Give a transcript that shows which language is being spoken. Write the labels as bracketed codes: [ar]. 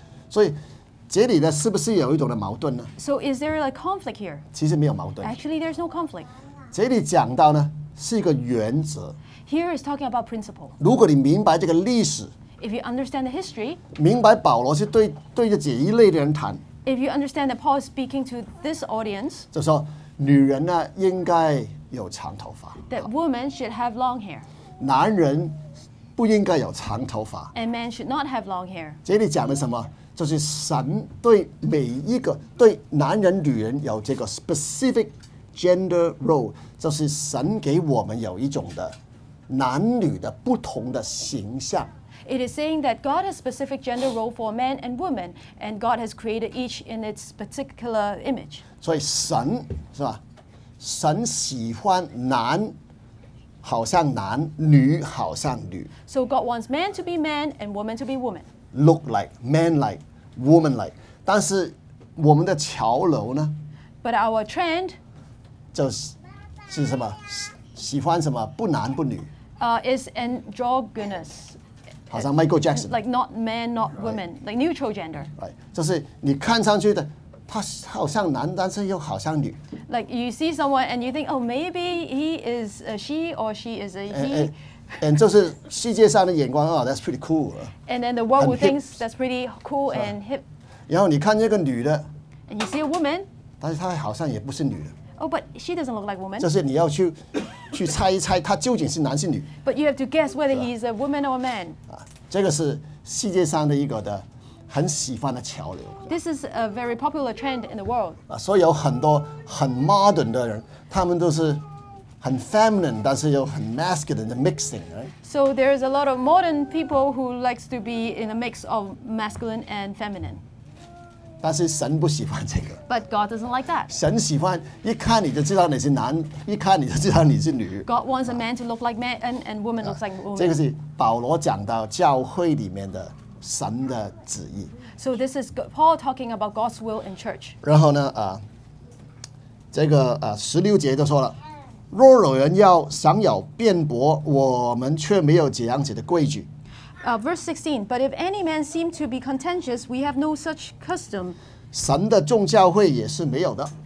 [zh] 所以这里呢，是不是有一种的矛盾呢 [en] ？So is there a conflict here? [zh] 其实没有矛盾。 [en] Actually, there's no conflict. [zh] 这里讲到呢，是一个原则。 [en] Here is talking about principle. [zh] 如果你明白这个历史 [en] ，If you understand the history, [zh] 明白保罗是对着这一类的人谈 [en] ，If you understand that Paul is speaking to this audience, [zh] 就说女人呢应该。有长头发 [en] That woman should have long hair. [zh] 男人不应该有长头发 [en] And men should not have long hair. [zh] 这里讲的什么？就是神对每一个对男人、女人有这个 [en] specific gender role， [zh] 就是神给我们有一种的男女的不同的形象。 [en] It is saying that God has specific gender role for men and women, and God has created each in its particular image. [zh] 所以神是吧？神喜欢男好像男女好像女 [en] So God wants man to be man and woman to be woman Look like, man like, woman like [zh] 但是我们的潮流呢 [en] But our trend [zh] 就 是什么喜欢什么不男不女 [en] Is androgynous [zh] 好像 Michael Jackson [en] Like not man, not woman, right. like neutral gender [zh] Right, 就是你看上去的他好像男，但是又好像女。 [en] Like you see someone and you think, oh, maybe he is a she or she is a he. [zh] And 就是世界上的眼光啊 ， [en] that's pretty cool. And then the world will think that's pretty cool and hip. [zh] 然后你看一个女的 [en] ，and you see a woman. [zh] 但是她好像也不是女的。 [en] Oh, but she doesn't look like a woman. [zh] 就是你要去猜一猜，她究竟是男是女。 [en] But you have to guess whether he is a woman or a man. [zh] 这个是世界上的一个的。很喜欢的潮流。 [en] This is a very popular trend in the world. [zh] 所以有很多很 modern 的人，他们都是很 feminine， 但是又很 masculine 的 mixing， right? [en] So there is a lot of modern people who likes to be in a mix of masculine and feminine. [zh] 但是神不喜欢这个。 [en] But God doesn't like that. [zh] 神喜欢一看你就知道你是男，一看你就知道你是女。 [en] God wants a man to look like man and woman looks like woman. [zh] 这个是保罗讲到教会里面的。神的旨意。 [en] So this is Paul talking about God's will in church. [zh] 然后呢，这个十六节就说了，若有人要想要辩驳，我们却没有这样子的规矩。 [en] Verse 16, but if any man seem to be contentious, we have no such custom. [zh] 神的众教会也是没有的。